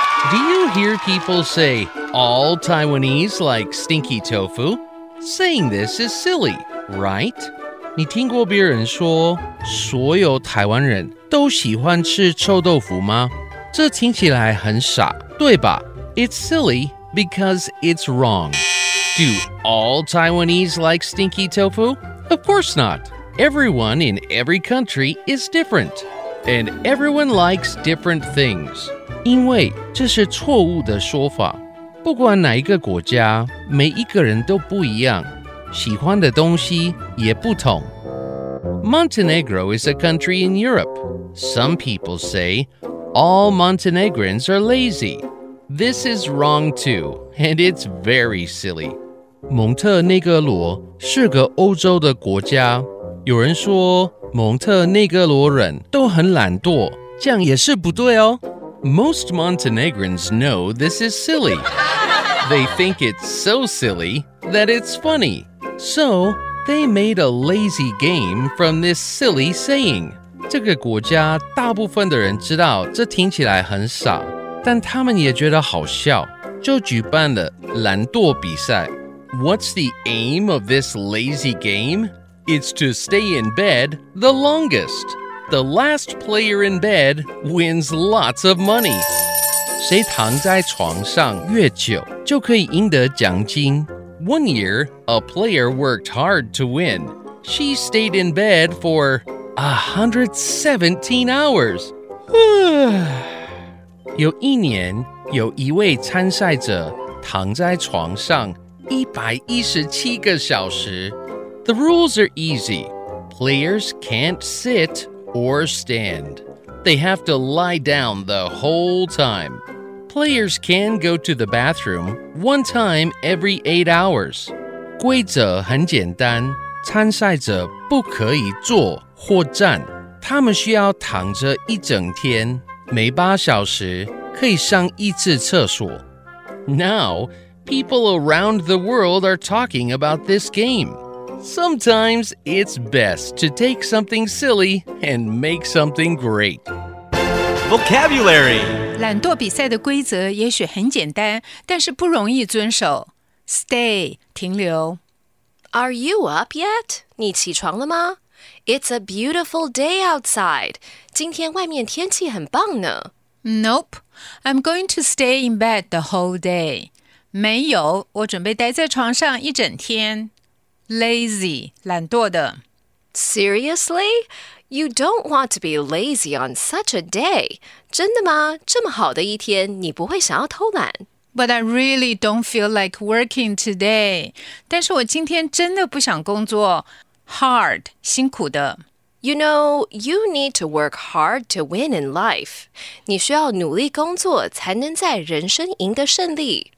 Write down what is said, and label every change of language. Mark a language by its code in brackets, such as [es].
[en] Do you hear people say all Taiwanese like stinky tofu? Saying this is silly, right? [zh] 你听过别人说所有台湾人都喜欢吃臭豆腐吗？这听起来很傻，对吧？ [en] It's silly because it's wrong. Do all Taiwanese like stinky tofu? Of course not. Everyone in every country is different. And everyone likes different things. [zh] 因为这是错误的说法。不管哪一个国家，每一个人都不一样。喜欢的东西也不同。 [en] Montenegro is a country in Europe. Some people say all Montenegrins are lazy. This is wrong too, and it's very silly. [zh] 蒙特内哥罗是个欧洲的国家。有人说蒙特内哥罗人都很懒惰，这样也是不对哦。 [en] Most Montenegrins know this is silly. They think it's so silly that it's funny. So, they made a lazy game from this silly saying. [zh] 这个国家大部分的人知道这听起来很傻，但他们也觉得好笑，就举办了懒惰比赛。 [en] What's the aim of this lazy game? It's to stay in bed the longest. The last player in bed wins lots of money. [zh] 谁躺在床上越久，就可以赢得奖金。 [en] One year, a player worked hard to win. She stayed in bed for 117 hours. [zh] 有一年，有一位参赛者躺在床上117个小时。 [en] The rules are easy. Players can't sit or stand. They have to lie down the whole time. Players can go to the bathroom one time every 8 hours. [zh] 规则很简单，参赛者不可以坐或站，他们需要躺着一整天，每八小时可以上一次厕所。 [en] Now, people around the world are talking about this game. Sometimes it's best to take something silly and make something great. Vocabulary. [zh] 懒惰比赛的规则也许很简单，但是不容易遵守。 [en] Stay, 停留。 Are you up yet? [zh] 你起床了吗？ [en] It's a beautiful day outside. [zh] 今天外面天气很棒呢。 [en] Nope, I'm going to stay in bed the whole day. [zh] 没有，我准备待在床上一整天。 [en] Lazy, 懒惰的。 Seriously? You don't want to be lazy on such a day. [zh] 真的吗？这么好的一天，你不会想要偷懒。 [en] But I really don't feel like working today. [zh] 但是我今天真的不想工作。 [en] Hard, 辛苦的。 You know, you need to work hard to win in life. [zh] 你需要努力工作才能在人生赢得胜利。